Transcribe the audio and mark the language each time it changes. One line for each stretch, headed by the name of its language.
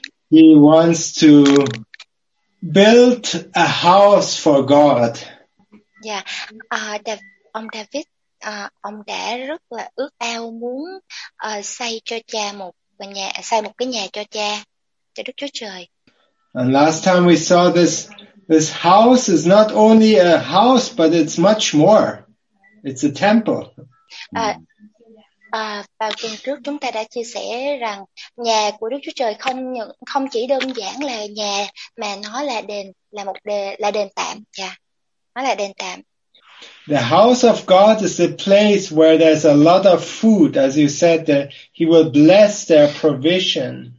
English: Wants to build a house for God.
Vietnamese: Dạ, ông David, ông đã rất là ước ao muốn xây cho cha một nhà, xây một cái nhà cho cha, cho Đức Chúa Trời.
English: And last time we saw this house is not only a house, but it's much more. It's a temple.
Vietnamese: Vào tuần trước chúng ta đã chia sẻ rằng nhà của Đức Chúa Trời không chỉ đơn giản là nhà mà nó là đền, là một đề, là đền tạm cha. Nó là đền tạm.
English: The house of God is the place where there's a lot of food, as you said, that he will bless their provision.